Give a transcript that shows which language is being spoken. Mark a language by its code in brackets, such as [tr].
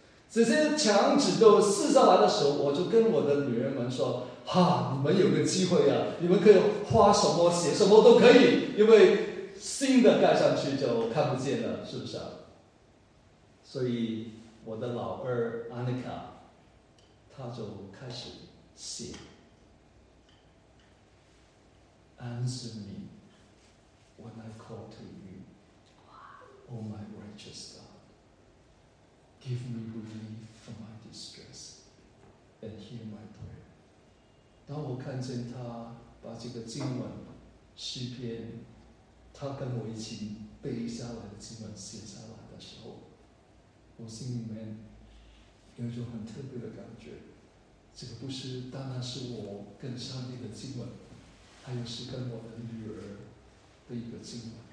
[zh] 这些墙纸都撕下来的时候，我就跟我的女人们说，哈，你们有个机会啊，你们可以画什么写什么都可以，因为新的盖上去就看不见了，是不是？所以我的老二 Annika 她就开始写， [en] answer me when I call to you, O my righteous God. Give me relief from my distress and hear my prayer. [zh] 当我看见他把这个经文诗篇他跟我一起背下来的经文写下来的时候，我心里面有一种很特别的感觉，这个不是单单是我跟上帝的经文，它又是跟我的女儿的一个经文。